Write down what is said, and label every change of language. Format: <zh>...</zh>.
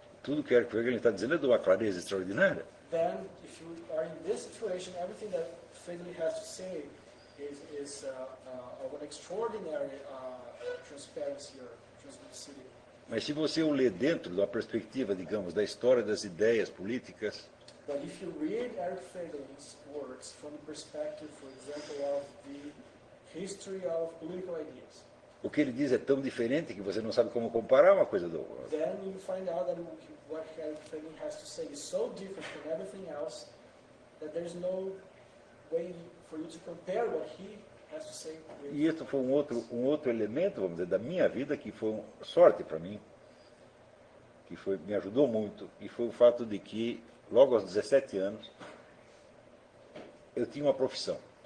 <pt>Tudo que Erich Fegeli está dizendo é de uma clareza extraordinária.</pt> <en>Then, if you are in this situation, everything that Fegeli has to say is of an extraordinary transparency or translucidity.</en> <pt>Mas se você o lê dentro da perspectiva, digamos, da história das ideias políticas.</pt> <en>But if you read Erich Fegeli's works from the perspective, for example, of the history of political ideas.</en> <pt>O que ele diz é tão diferente que você não sabe como comparar uma coisa do outro.</pt> <en>Then you find out that what Erich Fegeli has to say is so different from everything else that there's no way for you to compare what he has to say with.</en> <pt>E isso foi um outro elemento, vamos dizer, da minha vida que foi sorte para mim, que foi, me ajudou muito, e foi o fato de que logo aos 17 anos eu tinha uma profissão.</pt>